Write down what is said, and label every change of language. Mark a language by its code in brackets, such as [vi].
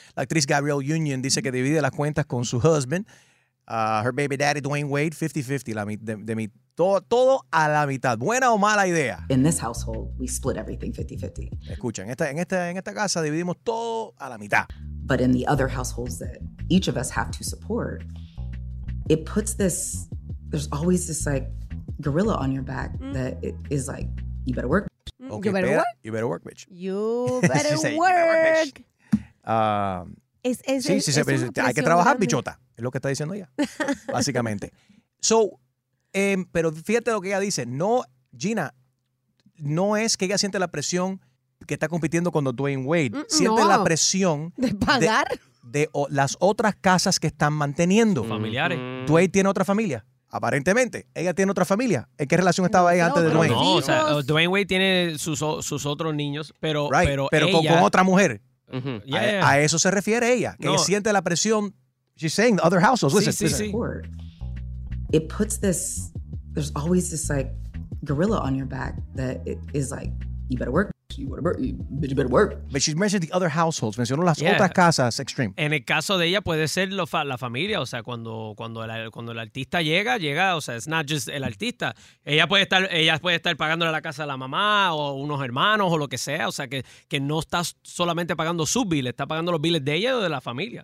[es] La actriz Gabrielle Union dice que divide las cuentas con su husband. [en] Her baby daddy, Dwayne Wade, 50-50, [es] todo a la mitad. ¿Buena o mala idea? [en] In this household, we split everything 50-50. [es] Escucha, en esta casa dividimos todo a la mitad. [en] But in the other households that each of us have to support, it puts this, there's always this like gorilla on your back that it is like, you better work, bitch. Okay, you better work, bitch. You better work. You better work, bitch. [es] Hay que trabajar, bichota. Es lo que está diciendo ella, básicamente. Pero fíjate lo que ella dice. No, Gina, no es que ella siente la presión que está compitiendo con Dwayne Wade. Siente la presión de pagar de las otras casas que están manteniendo. Familiares. Dwayne tiene otra familia, aparentemente. Ella tiene otra familia. ¿En qué relación estaba ella antes de Dwayne? No, o sea, Dwayne Wade tiene sus otros niños, pero, right. pero ella... con otra mujer. Uh-huh. Yeah, a eso se refiere ella, que no. Siente la presión. [en] She's saying the other households. Listen, It puts this, there's always this like gorilla on your back that it is like, you better work, you better work. But she mentioned the other households. [es] Mencionó las otras casas, [en] extreme. [es] En el caso de ella, puede ser la familia. O sea, cuando el artista llega, o sea, [en] it's not just [es] el artista. Ella puede estar pagándole la casa a la mamá o unos hermanos o lo que sea. O sea, que no está solamente pagando sus billes, está pagando los billes de ella o de la familia.